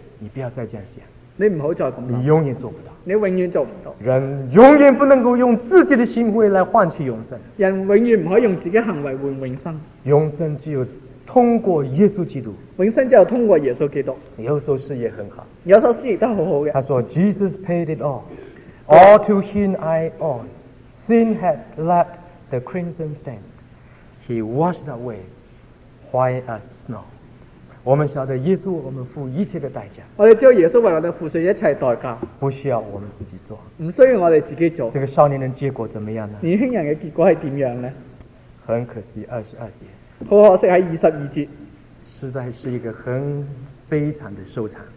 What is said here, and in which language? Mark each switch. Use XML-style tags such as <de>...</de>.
<zh>你不要再这样想，你不要再这样，你永远做不到，你永远做不到。人永远不能够用自己的行为来换取永生，人永远不可以用自己的行为换永生。永生只有通过耶稣基督，永生只有通过耶稣基督。你有说事业很好，你有说事业都很好的。他说</zh> <en>Jesus paid it all， all to him I owe， sin had left the crimson stain， he washed away white as snow。</en> <zh>我们晓得耶稣为我们付一切的代价，我们叫耶稣为我们付出一切代价，不需要我们自己做，不需要我们自己做。这个少年人结果怎么样呢？年轻人的结果是怎样呢？很可惜，二十二节，很可惜，在二十二节，实在是一个很悲惨的收场，</zh>